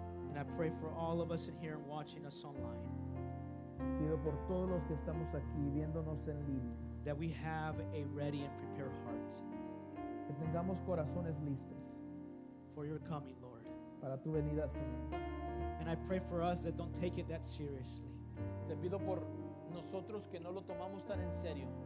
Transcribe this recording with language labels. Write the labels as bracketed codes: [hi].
[en] And I pray for all of us in here and watching us online. [es] Pido por todos los que estamos aquí viéndonos en línea. [en] That we have a ready and prepared heart. [es] Que tengamos corazones listos. [en] For your coming, Lord. [es] Para tu venida, Señor. [en] And I pray for us that don't take it that seriously. [es] Te pido por nosotros que no lo tomamos tan en serio.